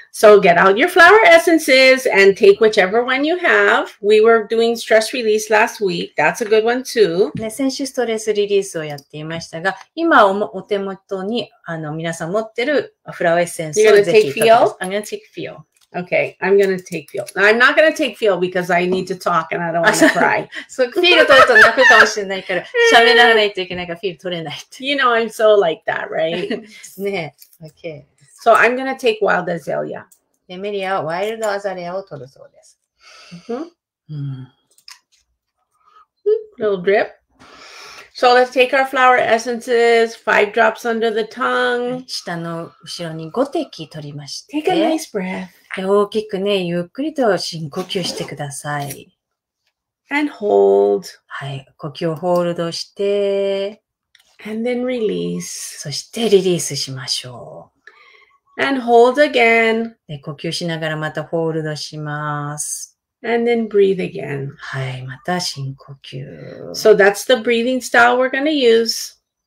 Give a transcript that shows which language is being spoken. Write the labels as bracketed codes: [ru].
[en] So get out your flower essences and take whichever one you have. We were doing stress release last week. That's a good one too. [ja] ね、先週ストレスリリースをやっていましたが、今お手元に、あの、皆さん持ってるフラワーエッセンスをぜひ。 [en] You're gonna take feel? I'm gonna take feel. Okay, I'm gonna take feel. Now, I'm not gonna take feel because I need to talk and I don't want to cry. [ja] So, feel 取ると泣くかもしれないから、喋らないといけないから、feel 取れないって。 [en] You know, I'm so like that, right? ね。Okay. So, I'm gonna take wild azalea. [ja] で、メリアはワイルドアザレアを取るそうです。 [en] Little drip. So, let's take our flower essences, 5 drops under the tongue. [ja] 下の後ろに5滴取りまして。 [en] Take a nice breath. [ja] で大きくね、ゆっくりと深呼吸してください。 [en] And hold. [ja] はい。呼吸をホールドして。 [en] And then release. [ja] そしてリリースしましょう。 [en] And hold again. [ja] で呼吸しながらまたホールドします。 [en] And then breathe again. [ja] はい。また深呼吸。 [en] So that's the breathing style we're going to use.